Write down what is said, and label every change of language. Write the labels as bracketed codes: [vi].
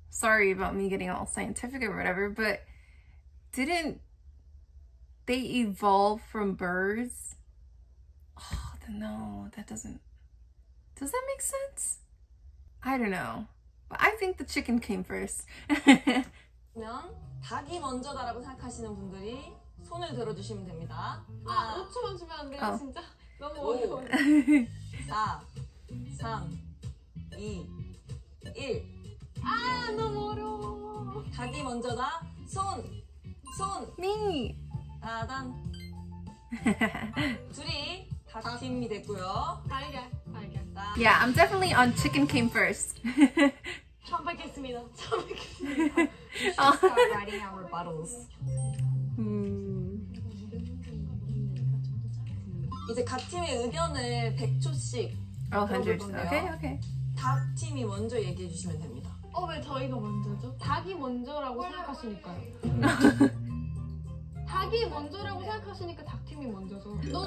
[en] sorry about me getting all scientific or whatever, but didn't they evolve from birds? Oh, no, that doesn't... Does that make sense? I don't know. But I think the chicken came first. [ko] 그러면 닭이 먼저다라고 생각하시는 분들이 손을 들어주시면 됩니다. 아, 5초만 주면 안 돼요, 진짜? 너무 어려워. 4, 3, 2, 1. 아, 너무 어려워. 닭이 먼저다, 손! 손! [en] Me! [ko] 따단. 둘이 닭 팀이 됐고요. 달걀. [en] Yeah, I'm definitely on chicken came first. [ko] 처음 뵙겠습니다. 처음 뵙겠습니다. [en] We should start writing our bottles. [ko] 이제 각 팀의 의견을 100초씩 들어볼 건데요. [en] Okay, okay. [ko] 닭 팀이 먼저 얘기해 주시면 됩니다. 어, 왜 저희가 먼저죠? 닭이 먼저라고 생각하시니까요. 닭이 먼저라고 생각하시니까 닭 팀이 먼저죠.